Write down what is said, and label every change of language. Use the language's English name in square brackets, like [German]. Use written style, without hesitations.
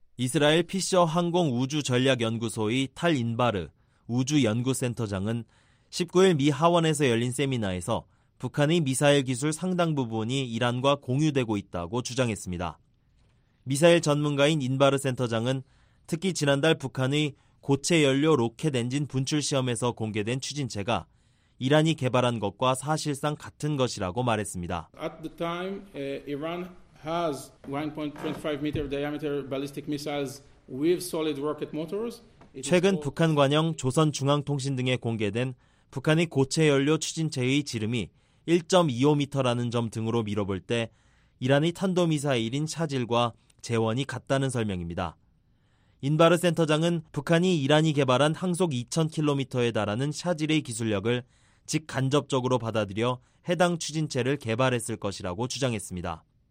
[Korean] 이스라엘 피셔 항공우주전략연구소의 탈 인바르 우주연구센터장은 19일 미 하원에서 열린 세미나에서 북한의 미사일 기술 상당 부분이 이란과 공유되고 있다고 주장했습니다. 미사일 전문가인 인바르 센터장은 특히 지난달 북한의 고체 연료 로켓 엔진 분출 시험에서 공개된 추진체가 이란이 개발한 것과 사실상 같은 것이라고 말했습니다. [English] At the time, Iran has 1.25 meter diameter ballistic missiles with solid rocket motors. [Korean] 최근 북한 관영 조선중앙통신 등에 공개된 북한의 고체 연료 추진체의 지름이 1.25m라는 점 등으로 미뤄볼 때 이란의 탄도미사일인 샤질과 재원이 같다는 설명입니다. 인바르 센터장은 북한이 이란이 개발한 항속 2000km에 달하는 샤질의 기술력을 직간접적으로 받아들여 해당 추진체를 개발했을 것이라고 주장했습니다.